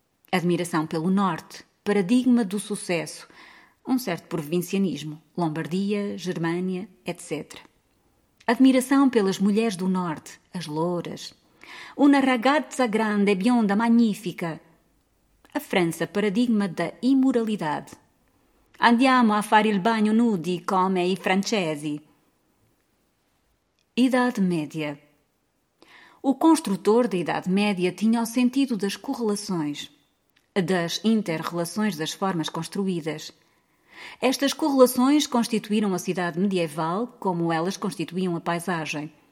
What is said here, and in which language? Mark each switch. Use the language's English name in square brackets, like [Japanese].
[Portuguese] Admiração pelo Norte, paradigma do sucesso. Um certo provincianismo, Lombardia, Germânia, etc. Admiração pelas mulheres do Norte, as louras. [Italian] Una ragazza grande, bionda, magnífica. [Portuguese] A França, paradigma da imoralidade. [Italian] Andiamo a fare il bagno nudi, come i francesi. [Portuguese] Idade Média. O construtor da Idade Média tinha o sentido das correlações, das inter-relações das formas construídas. Estas correlações constituíram a cidade medieval, como elas constituíam a paisagem.